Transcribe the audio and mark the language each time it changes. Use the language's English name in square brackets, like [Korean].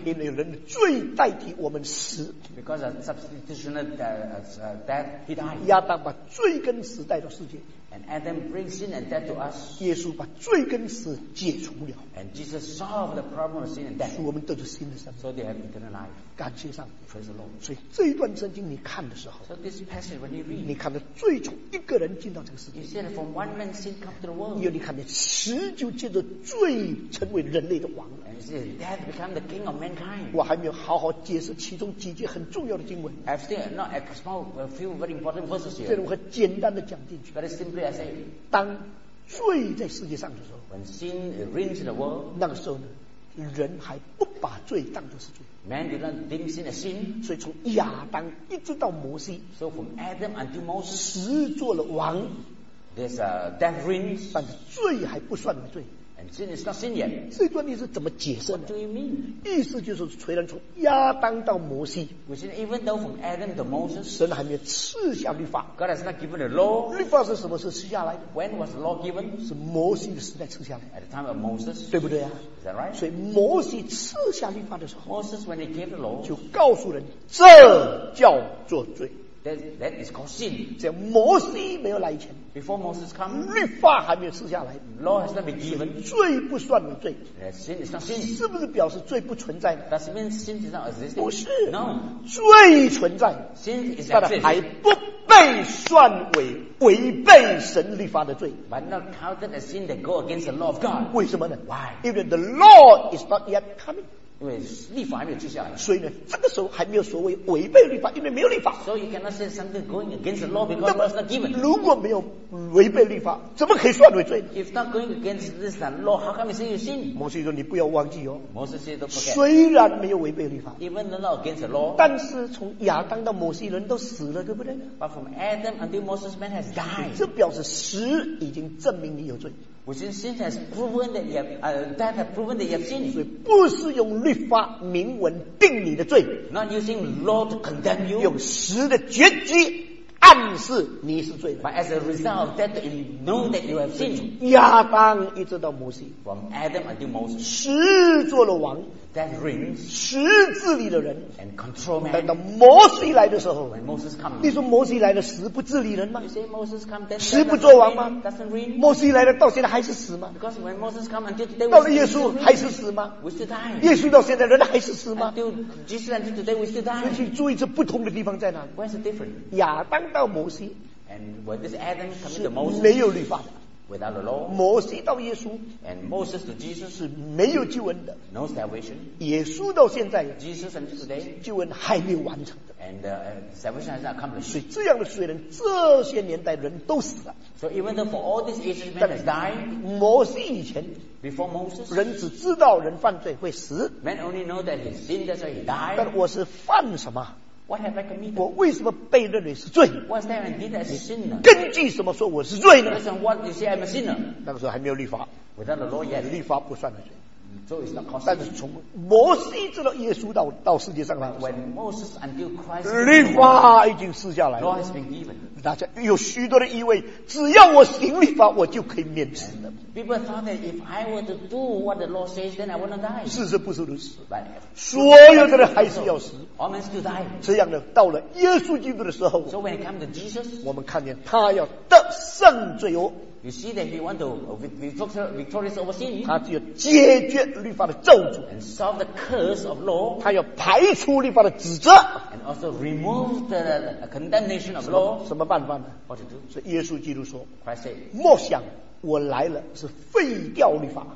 [Chinese] 因为人的罪代替我们死。 [English] Because of substitutional death he died. [Chinese] 亚当把罪跟死带到世界。 [English] And Adam brings sin and death to us. [Chinese] 耶稣把罪跟死解除了。 [English] And Jesus solved the problem of sin and death. [Chinese] 使我们得着新的生命。 [English] So they have eternal life. [Chinese] 感谢上帝。 [English] Praise the Lord. [Chinese] 所以这一段圣经你看的时候。 [English] So this passage when you read. [Chinese] 你看到罪从一个人进到这个世界。 [English] You see that from one man sin come to the world. [Chinese] 又你看到死就借着罪成为人类的王。 [English] And you see death become the king of mankind. [Chinese] 我还没有好好解释其中几节很重要的经文。 [English] I've still not explained a few very important verses here. [Chinese] 这种很简单的讲进去。 [English] Very simply. [Chinese] 当罪在世界上的时候 [English] When sin reigns the world, [Chinese] 那个时候呢人还不把罪当作是罪 [English] Man did not deem sin as sin, [Chinese] 所以从亚当一直到摩西 [English] So from Adam until Moses, [Chinese] 死做了王 [English] There's a death reigns, [Chinese] 但是罪还不算为罪 [English] And sin is not sin yet, [Chinese] 这段历史怎么解释呢 [English] What do you mean? [Chinese] 意思就是虽然从亚当到摩西 [English] Which is even though from Adam to Moses, [Chinese] 神还没有赐下律法 [English] God has not given the law, [Chinese] 律法是什么时候赐下来的 [English] When was the law given? [Chinese] 是摩西的时代赐下来的 [English] At the time of Moses, [Chinese] 对不对啊 [English] Is that right? [Chinese] 所以摩西赐下律法的时候 [English] Moses when he gave the law, [Chinese] 就告诉人这叫做罪 [English] That is called sin, [Chinese] 只要摩西没有来以前 [English] Before Moses come, [Chinese] 律法还没有赐下来 [English] law has not been given, [Chinese] 罪不算为罪 [English] sin is not sin. [Chinese] 是不是表示罪不存在 [English] Does it mean sin is not existing? [Chinese] 不是、 [English] no. [Chinese] 罪存在 [English] sin is [Chinese] 但还不被算为违背神律法的罪 [English] But not counted as sin that go against the law of God [Chinese] 为什么呢 [English] Why? Even the law is not yet coming [Chinese] 因为律法还没有赐下来所以呢这个时候还没有所谓违背律法因为没有律法 [English] So you cannot say something going against the law because it was not given [Chinese] 如果没有违背律法怎么可以算为罪 [English] If not going against this law how come you say you sin [Chinese] 摩西说你不要忘记哦 [English] Moses said don't forget [Chinese] 虽然没有违背律法 [English] Even though not against the law [Chinese] 但是从亚当到摩西人都死了对不对 [English] But from Adam until Moses man has died [Chinese] 这表示死已经证明你有罪 [English] Which is sin has proven that you have, that has proven that you have sinned. [Chinese] 所以不是用律法明文定你的罪。 [English] Not using law to condemn you. [Chinese] 用死的结局暗示你是罪的。 [English] But as a result of that, you know that you have sinned. [Chinese] 亚当一直到摩西。 [English] From Adam until Moses. [Chinese] 死做了王。 [English] That rings. [Chinese] 死治理的人。 [English] And control man. [Chinese] 等到摩西来的时候。 [English] When Moses comes. [Chinese] 你说摩西来了死不治理人吗 [English] ？You say Moses comes, then. [Chinese] 死不做王吗 [English] ？Doesn't ring. [Chinese] 摩西来了到现在还是死吗 [English] ？Because when Moses comes until today, [Chinese] 到了耶稣还是死吗 [English] ？We still die. [Chinese] 耶稣到现在人还是死吗 [English] ？Until Jesus until today, we still die. [Chinese] 所以注意这不同的地方在哪 [English] ？Where's the difference? [Chinese] 亚当到摩西。 [English] And when this Adam comes to Moses, [Chinese] 没有律法的。 [English] Without the law, [Chinese] 摩西到耶稣 [English] and Moses to Jesus, [Chinese] 是没有救恩的 [English] no salvation, [Chinese] 耶稣到现在 [English] Jesus until today, [Chinese] 救恩还没有完成的 [English] and, salvation has not accomplished. [Chinese] 所以这样的罪人这些年代人都死了 [English] So even though for all these ages men has died, [Chinese] 摩西以前 [English] before Moses, [Chinese] 人只知道人犯罪会死 [English] men only know that he sinned, that's why he died. [Chinese] 但我是犯什么 [English] What have I committed? [Chinese] 我为什么被认为是罪 [English] What's that and did as a sinner? [Chinese] 根据什么说我是罪呢 [English] Listen, what you say I'm a sinner? [Chinese] 那个时候还没有律法 [English] Without the law yet [Chinese] 律法不算的罪 [English] So it's not called [Chinese] 但是从摩西直到耶稣 到世界上来 [English] When Moses until Christ [Chinese] 律法已经赐下来了 [English] Law has been given [Chinese] 大家有许多的疑问只要我行律法我就可以免死 [English] People thought that if I were to do what the law says then I wouldn't die [Chinese] 事实不是如此 [English] But [Chinese] 所有的人还是要死 [English] All men still die. [Chinese] 这样的到了耶稣基督的时候 [English] So when it comes to Jesus, [Chinese] 我们看见他要得胜罪恶 [English] You see that he want to victorious over sin. [Chinese] 他只有解决律法的咒诅 [English] And solve the curse of law. [Chinese] 他要排除律法的指责 [English] And also remove the condemnation of law. [Chinese] 什么办法呢 [English] What to do? [Chinese] 是耶稣基督说 [English] Christ said, [Chinese] 莫想我来了是废掉律法